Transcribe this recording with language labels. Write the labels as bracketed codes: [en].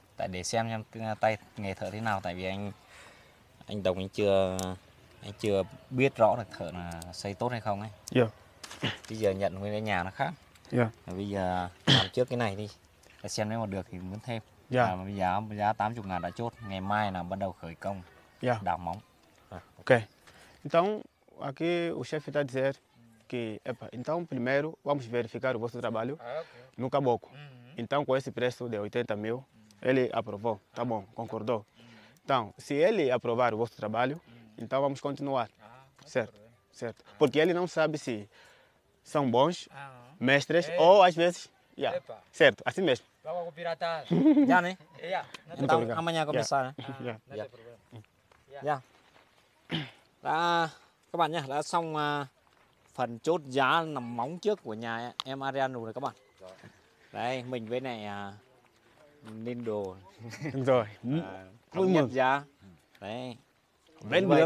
[vi] Tại để xem tay nghề thợ thế nào, tại vì anh Đồng anh chưa biết rõ được thợ là xây tốt hay không ấy. Yeah. Bây giờ nhận nguyên cái nhà nó khác. Yeah. Bây giờ làm trước cái này đi. Để xem nếu mà được thì muốn thêm. Yeah. Bây giờ giá 80 ngàn đã chốt, ngày mai là bắt đầu khởi công. Yeah. Đào móng. Ok. [pt] Então aqui o chefe está a dizer que, epa, então primeiro vamos verificar o vosso trabalho no caboclo. Então com esse preço de 80 mil, ele aprovou, tá bom, concordou. Então, se ele aprovar o vosso trabalho, então vamos continuar. Certo, certo. Porque ele não sabe se são bons mestres ou às vezes, yeah. Certo, assim mesmo. Vamos com pirata. Já, né? Já. Então amanhã começar, né? Já. Já. Já. [vi] Các bạn nhé, đã xong phần chốt giá nằm móng trước của nhà em Ariano rồi các bạn. Rồi. Đây, mình với này Ninh Đồ. Rồi, vui mừng. Giá. Đấy. Vên mưa